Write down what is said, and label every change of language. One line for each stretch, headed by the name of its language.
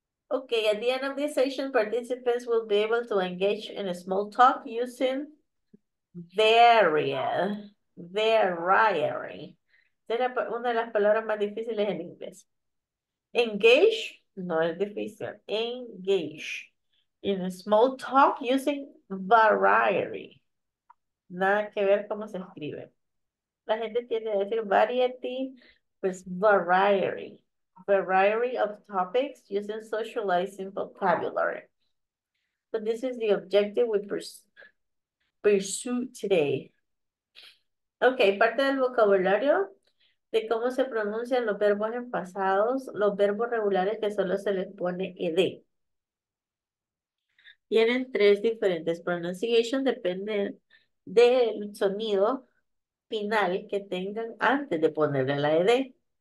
English: Okay, at the end of this session, participants will be able to engage in a small talk using variety.
Spanish: Será una de las palabras más difíciles en inglés.
English: Engage,
Spanish: no es difícil.
English: Engage in a small talk using variety.
Spanish: Nada que ver cómo se escribe. La gente tiende a decir variety, pues variety.
English: Variety of topics using socializing vocabulary. So this is the objective we pursue today.
Spanish: Okay, parte del vocabulario de cómo se pronuncian los verbos en pasados, los verbos regulares que solo se les pone ed. Tienen tres diferentes pronunciation, depende del sonido final que tengan antes de ponerle la ed.